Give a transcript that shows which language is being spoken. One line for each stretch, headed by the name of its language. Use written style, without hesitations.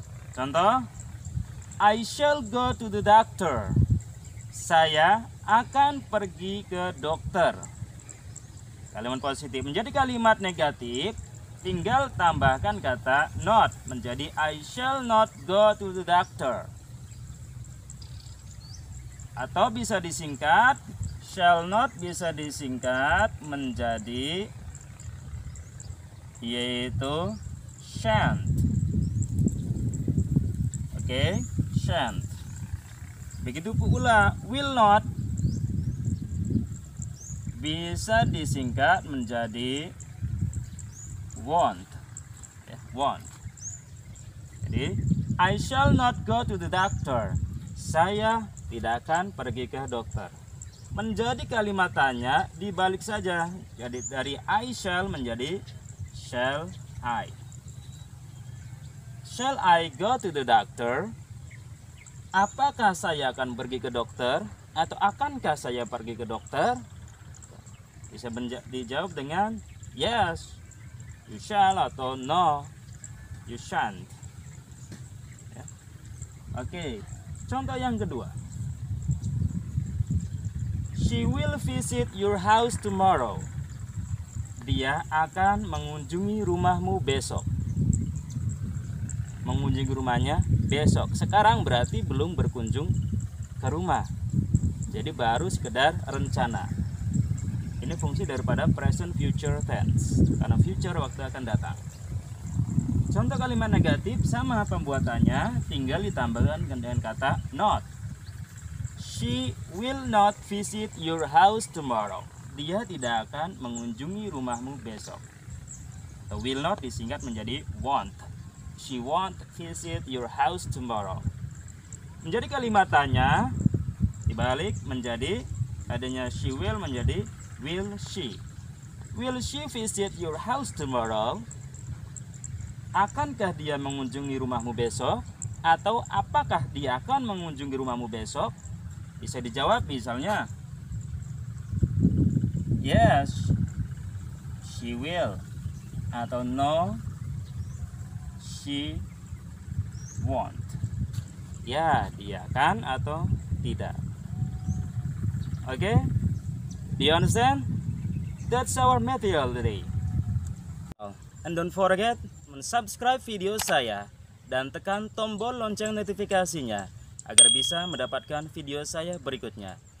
English: Contoh, I shall go to the doctor.
Indonesian: Saya akan pergi ke dokter. Kalimat positif menjadi kalimat negatif, tinggal tambahkan kata not menjadi
English: I shall not go to the doctor.
Indonesian: Atau bisa disingkat, shall not bisa disingkat menjadi yaitu shan't. Oke, shan't. Begitu pula will not bisa disingkat menjadi won't.
English: Won't. Jadi, I shall not go to the doctor.
Indonesian: Saya tidak akan pergi ke dokter. Menjadi kalimat tanya, dibalik saja. Jadi dari I shall menjadi shall I.
English: Shall I go to the doctor?
Indonesian: Apakah saya akan pergi ke dokter? Atau akankah saya pergi ke dokter? Bisa dijawab dengan
English: yes, you shall, atau no, you shan't. Yeah.
Indonesian: Oke, contoh yang kedua.
English: She will visit your house tomorrow.
Indonesian: Dia akan mengunjungi rumahmu besok. Mengunjungi rumahnya besok. Sekarang berarti belum berkunjung ke rumah. Jadi baru sekedar rencana. Ini fungsi daripada present future tense, karena future waktu akan datang. Contoh kalimat negatif, sama pembuatannya, tinggal ditambahkan dengan kata not.
English: She will not visit your house tomorrow.
Indonesian: Dia tidak akan mengunjungi rumahmu besok. The will not disingkat menjadi won't.
English: She won't visit your house tomorrow.
Indonesian: Menjadi kalimat tanya, dibalik menjadi adanya she will menjadi will she.
English: Will she visit your house tomorrow?
Indonesian: Akankah dia mengunjungi rumahmu besok? Atau apakah dia akan mengunjungi rumahmu besok? Bisa dijawab misalnya,
English: yes, she will. Atau no, she won't.
Indonesian: Ya, dia akan atau tidak. Oke,
English: do you understand? That's our material today. And don't forget, subscribe
Indonesian: video saya dan tekan tombol lonceng notifikasinya agar bisa mendapatkan video saya berikutnya.